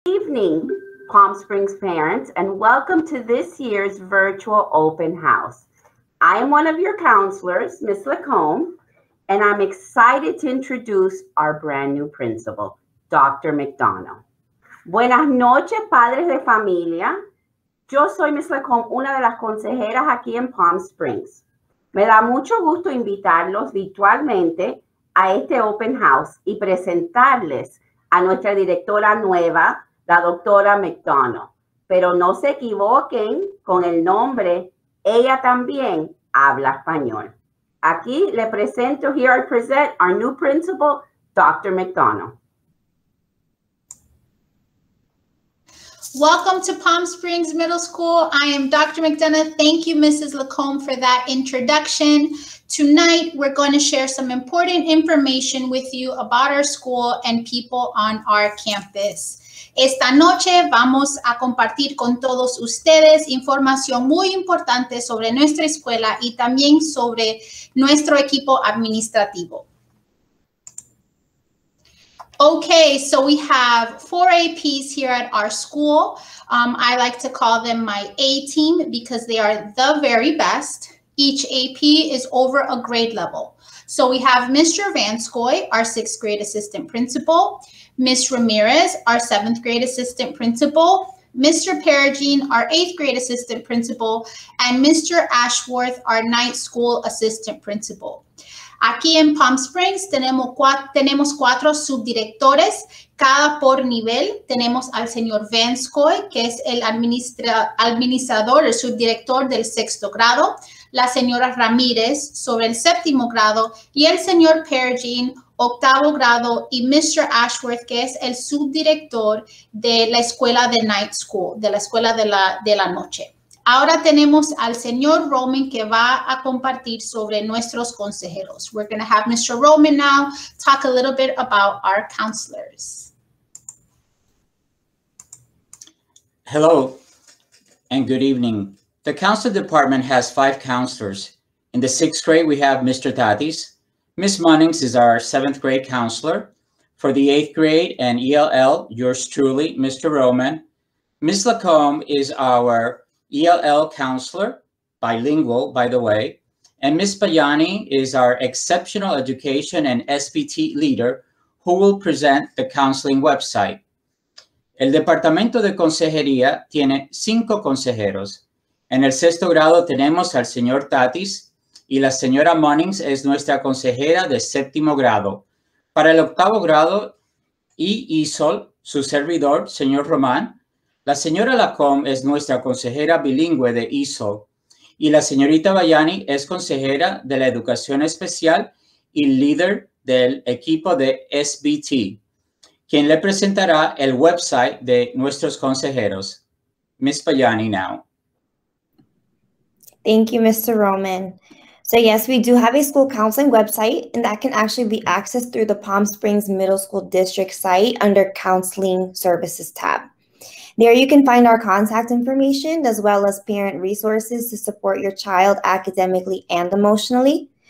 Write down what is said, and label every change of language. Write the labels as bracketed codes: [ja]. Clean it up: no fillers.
[en] evening, Palm Springs parents, and welcome to this year's virtual open house. I am one of your counselors, Ms. Lacombe, and I'm excited to introduce our brand new principal, Dr. [es] McDonald. Buenas noches, padres de familia. Yo soy Ms. Lacombe, una de las consejeras aquí en Palm Springs. Me da mucho gusto invitarlos virtualmente a este open house y presentarles a nuestra directora nueva, la doctora McDonald. Pero no se equivoquen con el nombre, ella también habla español. Aquí le presento, [en] here I present our new principal, Dr. McDonald. Welcome to Palm Springs Middle School. I am Dr. McDonough. Thank you, Mrs. Lacombe, for that introduction. Tonight, we're going to share some important information with you about our school and people on our campus. Esta noche vamos a compartir con todos ustedes información muy importante sobre nuestra escuela y también sobre nuestro equipo administrativo. Okay, so we have four APs here at our school. I like to call them my A team because they are the very best. Each AP is over a grade level. So we have Ms. Jervanskoy, our sixth grade assistant principal, Ms. Ramirez, our seventh grade assistant principal, Mr. Paragine, our eighth grade assistant principal, and Mr. Ashworth, our ninth school assistant principal. [es] Aquí en Palm Springs tenemos cuatro subdirectores, cada por nivel. Tenemos al señor Vanskoy, que es el administrador, el subdirector del sexto grado, la señora Ramírez sobre el séptimo grado y el señor Paragine, octavo grado, y Mr. Ashworth, que es el subdirector de la escuela de night school, de la escuela de la noche. Ahora tenemos al señor Roman que va a compartir sobre nuestros consejeros. [en] We're going to have Mr. Roman now talk a little bit about our counselors. Hello and good evening. The counselor department has five counselors. In the sixth grade, we have Mr. Tatis. Ms. Munnings is our seventh grade counselor. For the eighth grade and ELL, yours truly, Mr. Roman. Ms. Lacombe is our ELL counselor, bilingual, by the way, and Ms. Bayani is our exceptional education and SBT leader who will present the counseling website. [es] El departamento de consejería tiene cinco consejeros. En el sexto grado tenemos al señor Tatis y la señora Munnings es nuestra consejera de séptimo grado. Para el octavo grado y ISOL, su servidor, señor Román, la señora Lacombe es nuestra consejera bilingüe de ISO y la señorita Bayani es consejera de la educación especial y líder del equipo de SBT, quien le presentará el website de nuestros consejeros. [en] Ms. Bayani now. Thank you, Mr. Roman. So yes, we do have a school counseling website and that can actually be accessed through the Palm Springs Middle School District site under Counseling Services tab. There you can find our contact information as well as parent resources to support your child academically and emotionally.